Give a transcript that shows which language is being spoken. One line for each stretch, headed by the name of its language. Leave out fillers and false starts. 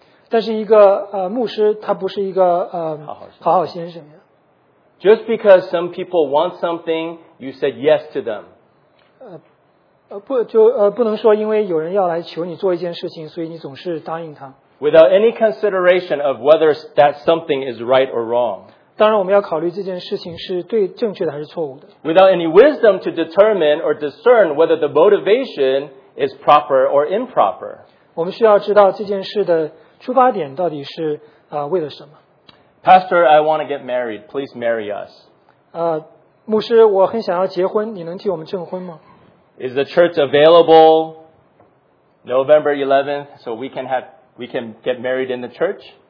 Chinese: 但是一个牧师他不是一个好好先生。
English: Just because some people want something, you said yes to them.
Chinese: 不能说因为有人要来求你做一件事情，所以你总是答应他。
English: Without any consideration of whether that something is right or wrong.
Chinese: 当然我们要考虑这件事情是对正确的还是错误的。
English: Without any wisdom to determine or discern whether the motivation is proper or improper.
Chinese: 我们需要知道这件事的出发点到底是为了什么。
English: Pastor, I want to get married. Please marry us.
Chinese: 牧师我很想要结婚，你能替我们证婚吗？
English: Is the church available November 11th so we can get married in the church?